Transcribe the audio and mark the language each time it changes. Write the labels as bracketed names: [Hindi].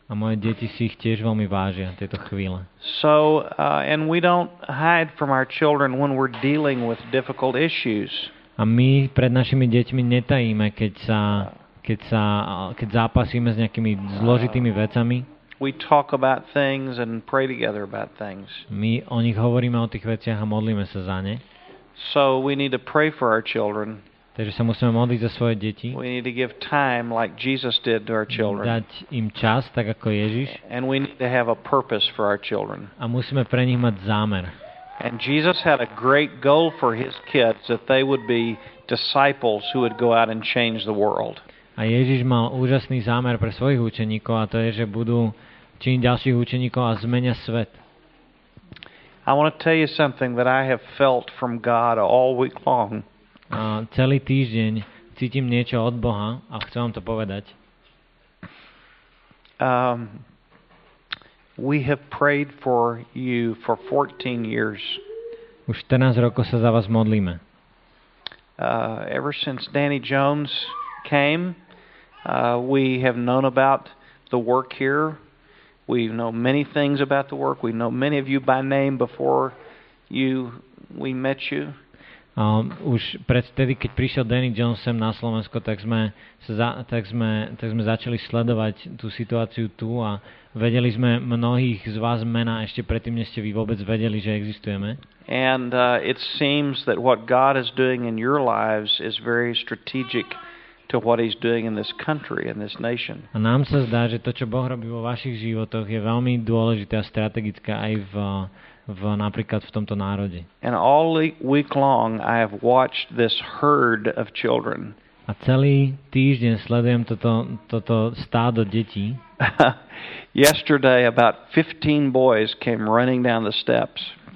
[Slovak] A moje deti si ich tiež veľmi vážia tieto chvíle. [English] So and we don't hide from our children when we're dealing with difficult issues. [Slovak] A my pred našimi deťmi netajíme, keď zápasíme s nejakými zložitými vecami. [English] We talk about things and pray together about things. [Slovak] My o nich hovoríme o tých veciach a modlíme sa za ne. [English] So we need to pray for our children. [Slovak] Takže sa musíme modliť za svoje deti. [English] We need to give time like Jesus did to our children. [Slovak] Dať im čas tak ako Ježiš. [English] And we need to have a purpose for our children. [Slovak] A musíme pre nich mať zámer. [English] And Jesus had a great goal for his kids that they would be disciples who would go out and change the world. [Slovak] A Ježiš mal úžasný zámer pre svojich učeníkov a to je, že budú činiť ďalších učeníkov a zmenia svet. [English] I want to tell you something that I have felt from God all week long. [Slovak] A celý týždeň cítim niečo od Boha a chcem vám to povedať. [English] We have prayed for you for 14 years. [Slovak] Už 14 rokov sa za vás modlíme. [English] Ever since Danny Jones came, we have known about the work here. We know many things about the work. We know many of you by name before we met you. [Slovak] Už predtedy, keď prišiel Danny Jones sem na Slovensko, tak sme začali sledovať tú situáciu tu a vedeli sme mnohých z vás mená ešte predtým, než ste vy vôbec vedeli, že existujeme. [English] And it seems that what God is doing in your lives is very strategic to what he's doing in this country and this nation. [Slovak] A nám sa zdá, že to, čo Boh robí vo vašich životoch, je veľmi dôležité a strategické aj v napríklad v tomto národe. [English] And all week long I have watched this herd of children. [Slovak] A celý týždeň sledujem toto stádo detí. [English] Yesterday about 15 boys came running down the steps.